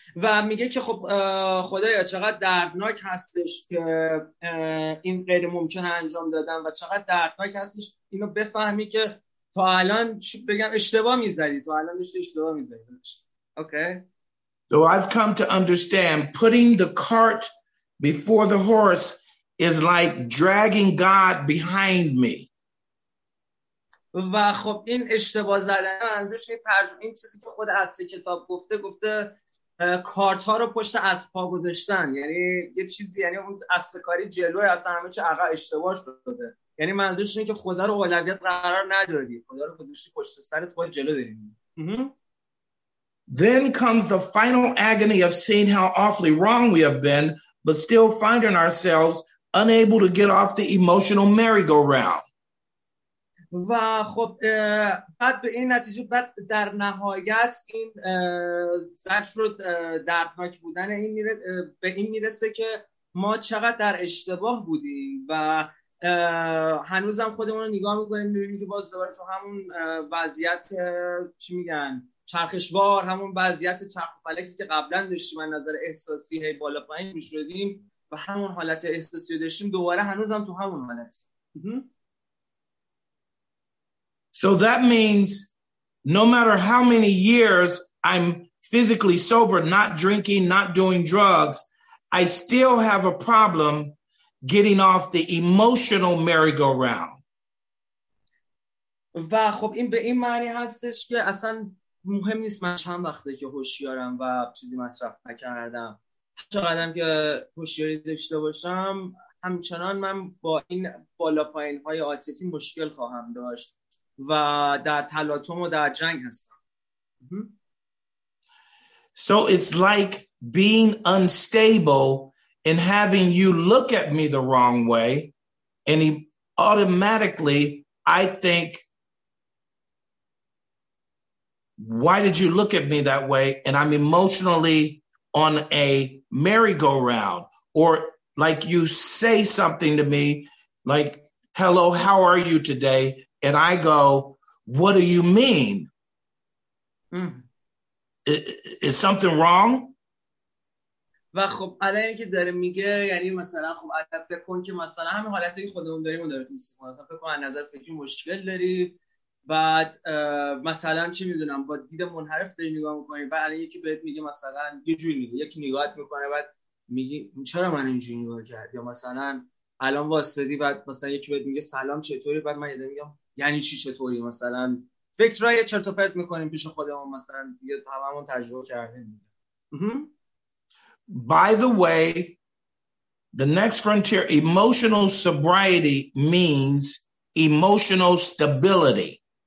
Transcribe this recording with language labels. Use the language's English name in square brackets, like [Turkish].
[Persian] و میگه که خب خدایا چقدر دردناک هستش که این غیر ممکن انجام دادم و چقدر دردناک هستش اینو بفهمی که تو الان بگم اشتباه میزدی تو الان داشتی اشتباه میزدی. [English] Okay. Though I've come to understand putting the cart before the horse is like dragging God behind me. [Persian] و خب این اشتباه زدن منظورش این ترجمه این چیزی که خود از کتاب گفته کارت ها رو پشت اسب ها گذاشتن، یعنی یه چیزی، یعنی اون اسب کاری جلوی از همه چی عقب اشتباه شده، یعنی منظورش اینه که خدا رو اولویت قرار ندادی، خدا رو گذاشتی پشت سرت خود جلو داری. [English] Then comes the final agony of seeing how awfully wrong we have been, but still finding ourselves unable to get off the emotional merry-go-round. [Persian] و خب بعد به این نتیجه بعد در نهایت این زجر رو دردناک بودن این به این میرسه که ما چقدر در اشتباه بودیم و هنوزم خودمون رو نگاه میکنیم میبینیم که باز دوباره تو همون وضعیت چی میگن؟ چرخشوار، همون وضعیت چرخ و فلکی که قبلا داشتیم از نظر احساسی هی بالا پایین می‌شدیم و همون حالت احساسی داشتیم دوباره هنوز هم تو همون حالت. [English] So that means no matter how many years I'm physically sober, not drinking, not doing drugs, I still have a problem getting off the emotional merry-go-round. [Persian] و خب این به این معنی هستش که اصلا مهم نیست من چند وقته که هوشیارم و چیزی مصرف نکردم، چقدرم که هوشیاری داشته باشم همچنان من با این بالا پایین های عاطفی مشکل خواهم داشت و در تلاطم و در جنگ هستم. [English] So it's like being unstable and having you look at me the wrong way and automatically I think why did you look at me that way? And I'm emotionally on a merry-go-round. Or like you say something to me, like, hello, how are you today? And I go, what do you mean? Mm. is something wrong? [Persian] و خب الان اینی که داره میگه یعنی مثلا خب عادت فکر کن که مثلا همین حالتی که خودمون داریم داره تو سیستم مثلا فکر کن از نظر فکری مشکل داری بعد مثلا چی میدونم با دید منحرف داری نگاه میکنی بعد الان یکی بهت میگه مثلا یه جوری میگه یکی نگاهت میکنه بعد میگی چرا من اینجوری نگاه کرد یا مثلا الان واسدی بعد مثلا یکی بهت میگه سلام چطوری بعد من میگم یعنی چی چطوری مثلا فکرای چرت و پرت میکنیم پیش خودمون مثلا دیگه هممون تجربه کردیم. [English] By the way, the next frontier, emotional sobriety means emotional stability.